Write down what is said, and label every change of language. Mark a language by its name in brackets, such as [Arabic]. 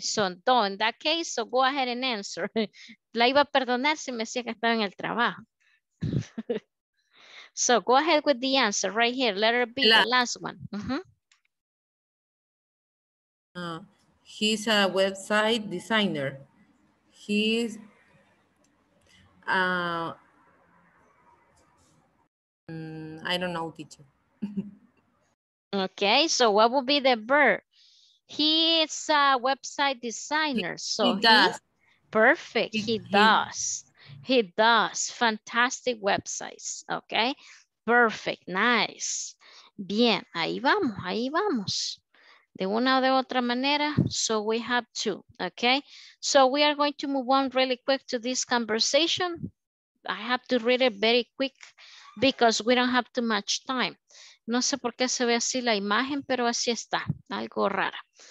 [English] So, no, in that case, so go ahead and answer. [Spanish] La iba a perdonar si me decía que estaba en el trabajo. [English] So go ahead with the answer right here. Letter B, the last one. He's a website designer. He's I don't know, teacher. Okay, so what would be the verb? He's a website designer. So he does. Perfect. He does. He does fantastic websites, okay? Perfect, nice. [Spanish] Bien, ahí vamos. De una o de otra manera, [English] so we have two, okay? So we are going to move on really quick to this conversation. I have to read it very quick because we don't have too much time. [Spanish] No sé por qué se ve así la imagen, pero así está, algo rara.